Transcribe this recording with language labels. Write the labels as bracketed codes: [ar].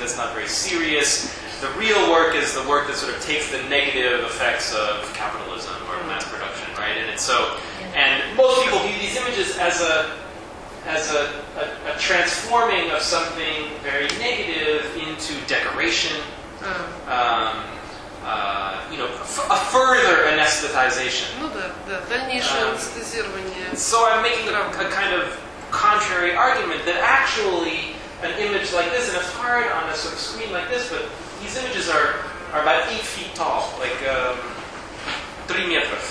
[en] That's not very serious. The real work is the work that sort of takes the negative effects of capitalism or mass production, right? And it's so, and most people view these images as a transforming of something very negative into decoration, you know, a further anesthetization. [ru] Ну да, да, дальнейшее анестезирование. [en] So I'm making a kind of contrary argument that actually an image like this, and it's hard on a sort of screen like this, but these images are about 8 feet tall, like 3 meters.